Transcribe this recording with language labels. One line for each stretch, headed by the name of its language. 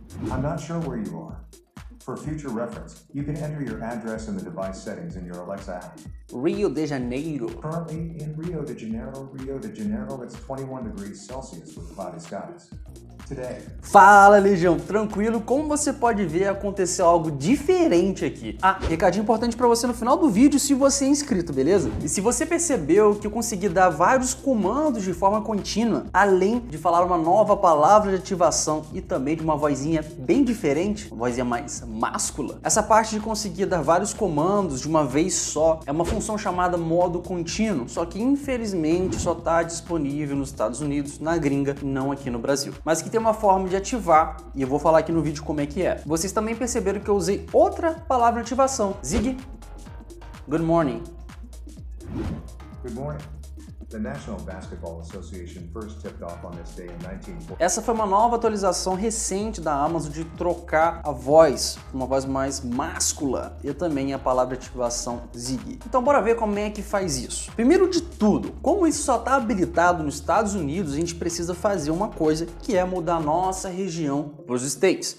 English: I'm not sure where you are. For future reference, you can enter your address in the device settings in your Alexa app. Rio de Janeiro. Currently in Rio de Janeiro, it's 21 degrees Celsius with cloudy skies. Today.
Portuguese: Fala, Legião. Tranquilo? Como você pode ver, aconteceu algo diferente aqui. Ah, recadinho importante pra você no final do vídeo, se você é inscrito, beleza? E se você percebeu que eu consegui dar vários comandos de forma contínua, além de falar uma nova palavra de ativação e também de uma vozinha bem diferente, uma vozinha mais máscula, essa parte de conseguir dar vários comandos de uma vez só é uma função chamada modo contínuo, só que infelizmente só tá disponível nos Estados Unidos, na gringa, não aqui no Brasil. Mas que tem uma forma de ativar, e eu vou falar aqui no vídeo como é que é. Vocês também perceberam que eu usei outra palavra de ativação.
English: Ziggy, good morning. Good morning. The National Basketball Association first tipped off on this day in 1940.
Portuguese: Essa foi uma nova atualização recente da Amazon de trocar a voz, uma voz mais máscula, e também a palavra de ativação Ziggy. Então bora ver como é que faz isso. Primeiro de tudo, como isso só está habilitado nos Estados Unidos, a gente precisa fazer uma coisa, que é mudar nossa região para os States.